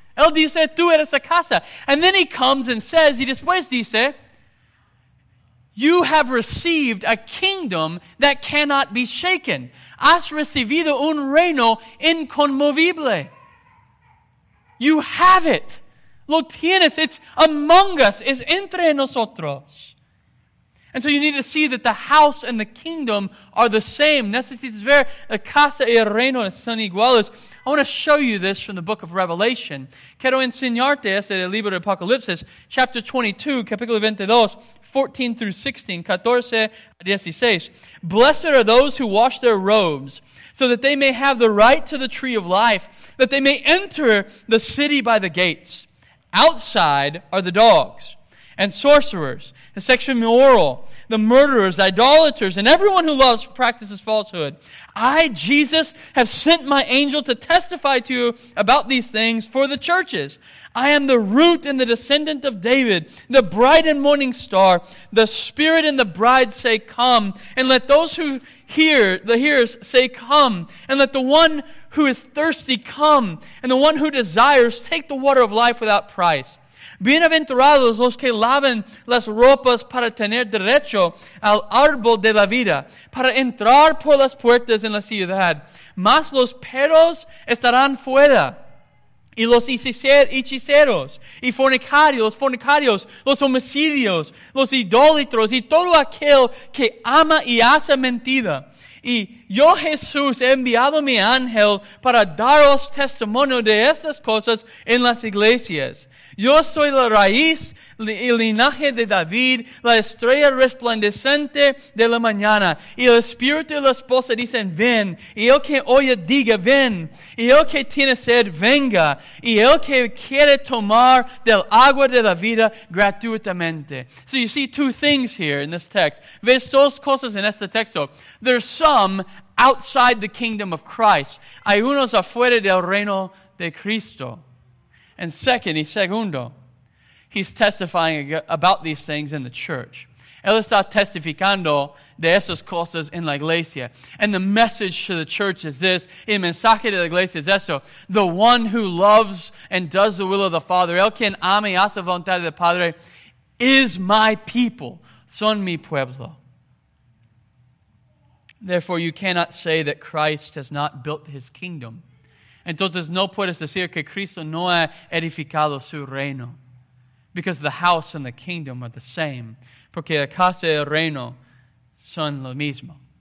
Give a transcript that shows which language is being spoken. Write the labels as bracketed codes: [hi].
[es] Él dice, tú eres la casa. [en] And then he comes and says, [es] y después dice, [en] you have received a kingdom that cannot be shaken. [es] Has recibido un reino inconmovible. [en] You have it. [es] Lo tienes. [en] It's among us. [es] Es entre nosotros. [en] And so you need to see that the house and the kingdom are the same. [es] Necesitas ver la casa y el reino son iguales. [en] I want to show you this from the book of Revelation. [es] Quiero enseñarte este del libro de Apocalipsis, [en] chapter 22, [es] capítulo 22, [en] 14 through 16, [es] 14 a 16. [en] Blessed are those who wash their robes, so that they may have the right to the tree of life, that they may enter the city by the gates. Outside are the dogs, and sorcerers, the sexually immoral, the murderers, idolaters, and everyone who loves practices falsehood. I, Jesus, have sent my angel to testify to you about these things for the churches. I am the root and the descendant of David, the bright and morning star. The Spirit and the bride say, come. And let those who hear, the hearers, say, come. And let the one who is thirsty come. And the one who desires take the water of life without price. [es] Bienaventurados los que laven las ropas para tener derecho al árbol de la vida, para entrar por las puertas en la ciudad. Mas los perros estarán fuera, y los hechiceros, y fornicarios, los homicidios, los idólatros, y todo aquel que ama y hace mentira. Y yo, Jesús, he enviado mi ángel para daros testimonio de estas cosas en las iglesias. Yo soy la raíz y el linaje de David, la estrella resplandeciente de la mañana. Y el espíritu y la esposa dicen, ven. Y el que oye, diga, ven. Y el que tiene sed, venga. Y el que quiere tomar del agua de la vida gratuitamente. [en] So you see two things here in this text. [es] Ves dos cosas en este texto. [en] There's some outside the kingdom of Christ. [es] Hay unos afuera del reino de Cristo. And second, y segundo, [en] he's testifying about these things in the church. [es] Él está testificando de esas cosas en la iglesia. [en] And the message to the church is this. [es] El mensaje de la iglesia es esto. [en] The one who loves and does the will of the Father, [es] el quien ama y hace voluntad del Padre, [en] is my people. [es] Son mi pueblo. [en] Therefore, you cannot say that Christ has not built his kingdom. [es] Entonces, no puedes decir que Cristo no ha edificado su reino. [en] Because the house and the kingdom are the same. [es] Porque la casa y el reino son lo mismo.